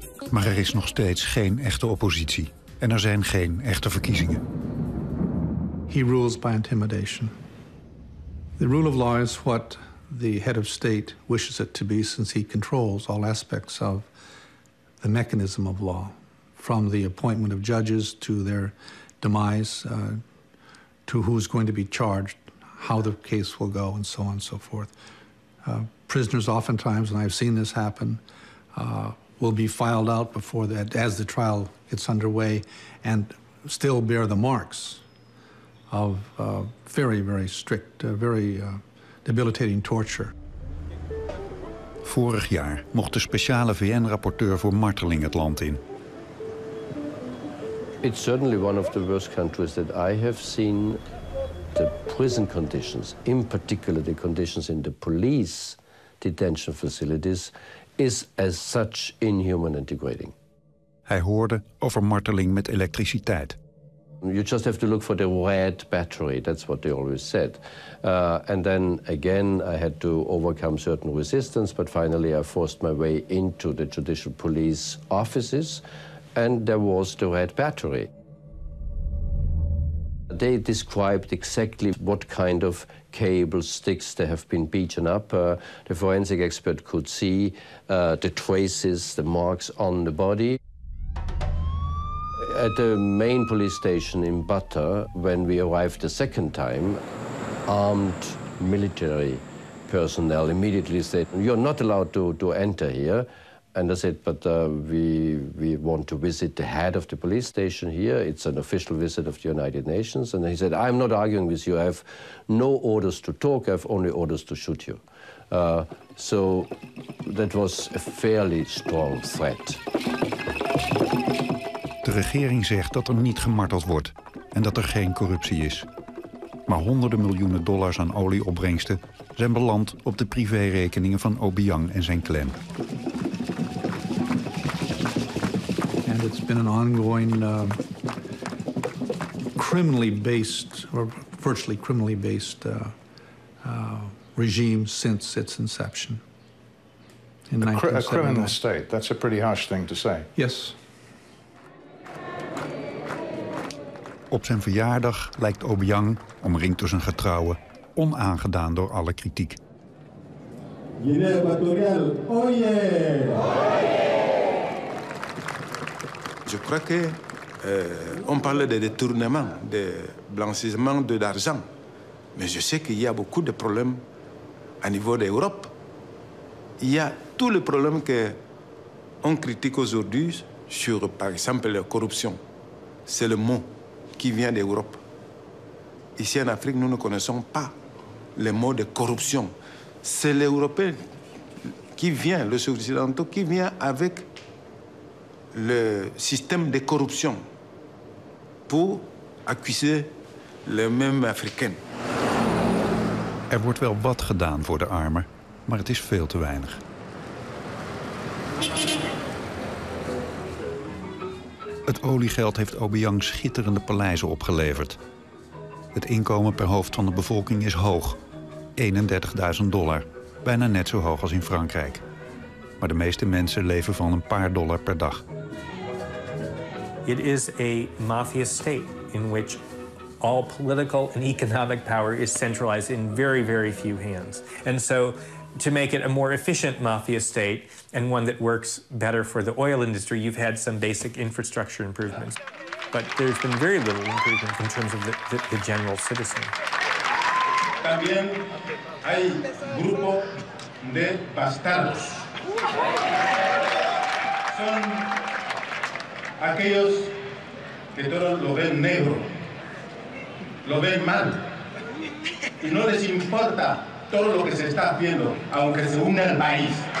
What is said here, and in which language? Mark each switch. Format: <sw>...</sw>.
<nl>Maar er is nog steeds geen echte oppositie en er zijn geen echte verkiezingen.</nl> <en>He rules by intimidation. The rule of law is what the head of state wishes it to be, since he controls all aspects of the mechanism of law, from the appointment of judges to their demise, to who's going to be charged, how the case will go, and so on and so forth. Prisoners oftentimes, and I've seen this happen, will be filed out before that, as the trial gets underway, and still bear the marks of very, very strict, very debilitating torture.</en> <nl>Vorig jaar mocht de speciale VN-rapporteur voor marteling het land in.</nl> <en>It's certainly one of the worst countries that I have seen. The prison conditions, in particular the conditions in the police detention facilities, is as such inhuman and degrading.</en> <nl>Hij hoorde over marteling met elektriciteit.</nl> <en>You just have to look for the red battery, that's what they always said. And then again, I had to overcome certain resistance, but finally I forced my way into the judicial police offices, and there was the red battery. They described exactly what kind of cable sticks they have been beaten up. The forensic expert could see the traces, the marks on the body. At the main police station in Bata, when we arrived the second time, armed military personnel immediately said, "You're not allowed to enter here." And I said, "But we want to visit the head of the police station here. It's an official visit of the United Nations." And he said, "I'm not arguing with you. I have no orders to talk. I have only orders to shoot you." So that was a fairly strong threat.</en> <nl>De regering zegt dat er niet gemarteld wordt en dat er geen corruptie is. Maar honderden miljoenen dollars aan olieopbrengsten zijn beland op de privérekeningen van Obiang en zijn clan.</nl> <en>And it's been an ongoing criminally based or virtually criminally based regime since its inception. A criminal state, that's a pretty harsh thing to say. Yes.</en> <nl>Op zijn verjaardag lijkt Obiang, omringd door zijn getrouwen, onaangedaan door alle kritiek.</nl> <en>Guinea Equatorial, oh yeah!</en> <fr>Je crois que on parle de détournement, de blanchissement de d'argent, mais je sais qu'il y a beaucoup de problèmes à niveau d'Europe. Il y a tous les problèmes que on critique aujourd'hui sur, par exemple, la corruption. C'est le mot qui vient d'Europe. Ici en Afrique, nous ne connaissons pas le mot de corruption. C'est l'Européen qui vient, le Occidental qui vient avec le système de corruption pour accuser les mêmes Africains.</fr> <nl>Er wordt wel wat gedaan voor de armen, maar het is veel te weinig. Het oliegeld heeft Obiang schitterende paleizen opgeleverd. Het inkomen per hoofd van de bevolking is hoog. $31,000, bijna net zo hoog als in Frankrijk. Maar de meeste mensen leven van een paar dollar per dag.</nl> <en>It is a mafia state in which all political and economic power is centralized in very, very few hands. And so to make it a more efficient mafia state and one that works better for the oil industry, you've had some basic infrastructure improvements. But there's been very little improvement in terms of the general citizen.</en> <es>También hay grupo de bastardos. Son aquellos que todo lo ven negro, lo ven mal, y no les importa todo lo que se está haciendo, aunque se hunda el país.</es>